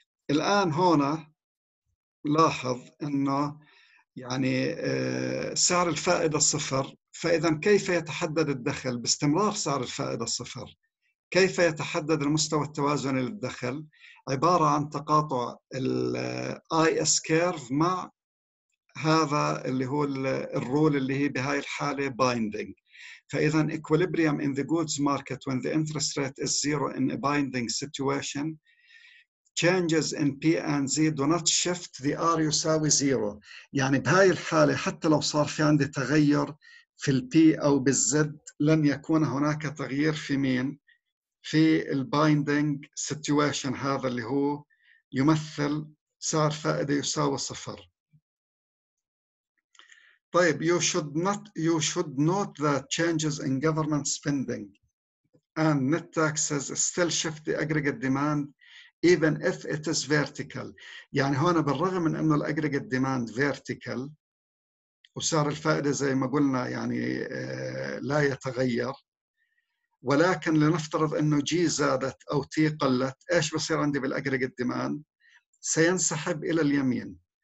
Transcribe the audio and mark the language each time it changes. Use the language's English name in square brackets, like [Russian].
[Arabic] الآن هنا لاحظ أنه يعني سعر الفائدة صفر، فإذا كيف يتحدد الدخل باستمرار سعر الفائدة صفر؟ كيف يتحدد المستوى التوازن للدخل؟ عبارة عن تقاطع الاي اس كيرف مع هذا اللي هو الرول اللي هي بهاي الحالة binding. [English] فإذا equilibrium in the goods market when the interest rate is zero in a binding situation changes in P and Z do not shift the R [Arabic] يساوي 0. يعني بهاي الحالة حتى لو صار في عندي تغير في الـ P أو بالـ Z لن يكون هناك تغيير في مين؟ في الـ binding situation هذا اللي هو يمثل سعر فائدة يساوي 0. [English] طيب you should note that changes in government spending and net taxes still shift the aggregate demand even if it is vertical. [Arabic] يعني هون بالرغم من انه الاجريجيت ديماند vertical وسعر الفائده زي ما قلنا يعني لا يتغير، ولكن لنفترض انه جي زادت او تي قلت، ايش بصير عندي بالاجريجيت ديماند؟ سينسحب الى اليمين.